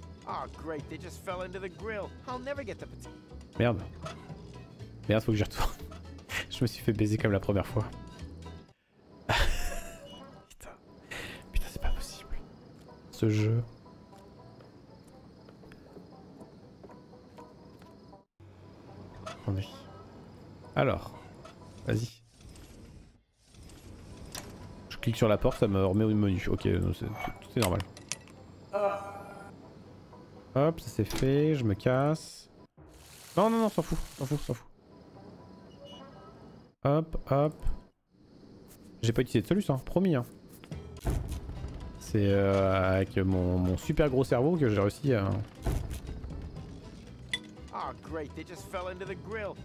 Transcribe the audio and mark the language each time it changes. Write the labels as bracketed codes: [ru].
[en] Oh, great, they just fell into the grill. I'll never get the potato. [fr] Merde. Merde, faut que j'y retourne. Je me suis fait baiser comme la première fois. Putain, c'est pas possible. Ce jeu. Alors, vas-y. Je clique sur la porte, ça me remet au menu. Ok, tout est normal. Hop, ça c'est fait, je me casse. Non, s'en fout. Hop. J'ai pas utilisé de solution, hein, promis. Hein. C'est avec mon super gros cerveau que j'ai réussi à... [en] Oh great, they just fell into the grill.